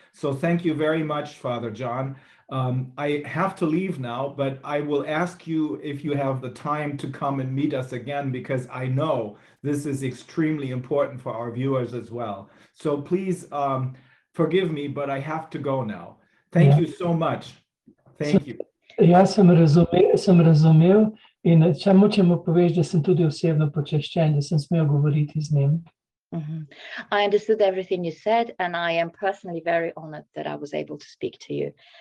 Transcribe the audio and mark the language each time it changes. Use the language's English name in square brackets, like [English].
[English] So thank you very much, Father John. I have to leave now, but I will ask you if you have the time to come and meet us again, because I know this is extremely important for our viewers as well. So please forgive me, but I have to go now. Thank you so much. Thank you. [Slovenian] Ja sem razumel in čemu če mu poveš, da sem tudi osebno počaščen, da sem smel govoriti z njim. [English] I understood everything you said and I am personally very honored that I was able to speak to you.